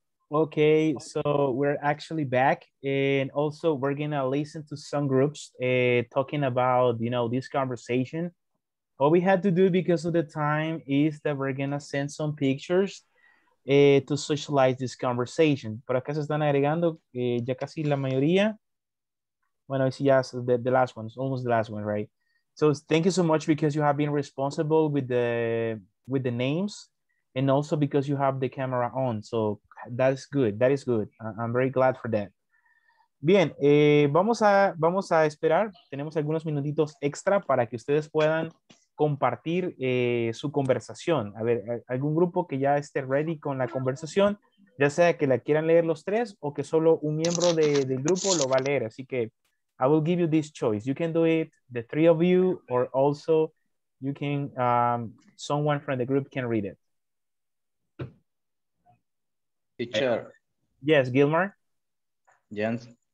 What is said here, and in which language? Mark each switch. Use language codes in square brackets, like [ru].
[en] okay, so we're actually back, and also we're gonna listen to some groups talking about, you know, this conversation. What we had to do because of the time is that we're gonna send some pictures to socialize this conversation. [es] Por acá se están agregando ya casi la mayoría. Bueno, sí, [en] yes, the last one, it's almost the last one, right? So thank you so much because you have been responsible with the names, and also because you have the camera on. So that's good. That is good. I'm very glad for that. [es] Bien, vamos a esperar. Tenemos algunos minutitos extra para que ustedes puedan compartir su conversación. A ver, algún grupo que ya esté ready con la conversación, ya sea que la quieran leer los tres o que solo un miembro del grupo lo va a leer. Así que [en] I will give you this choice. You can do it, the three of you, or also you can, someone from the group can read it. Teacher. Yes, Gilmar. Jens.